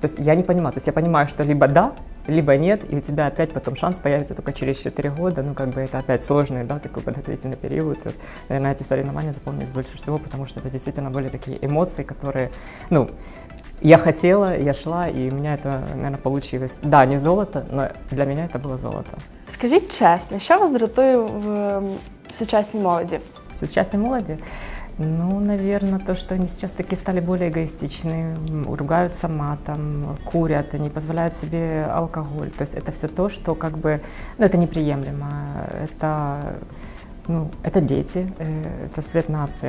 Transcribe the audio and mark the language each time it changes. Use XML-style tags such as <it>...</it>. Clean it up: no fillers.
<ru>То есть я не понимаю, то есть я понимаю, что либо да, либо нет, и у тебя опять потом шанс появится только через 4 года, ну как бы это опять сложный, да, такой подготовительный период. Вот, наверное, эти соревнования запомнились больше всего, потому что это действительно были такие эмоции, которые, ну, я хотела, я шла, и у меня это, наверное, получилось. Да, не золото, но для меня это было золото. Скажи честно, что вас</ru> <uk>дратує в сучасній молоді? В сучасній молоді?</uk> <ru>Ну, наверное, то, что они сейчас таки стали более эгоистичны, ругаются матом, курят, они позволяют себе алкоголь. То есть это все то, что как бы, ну, это неприемлемо. Это, ну, это дети, это свет нации.</ru>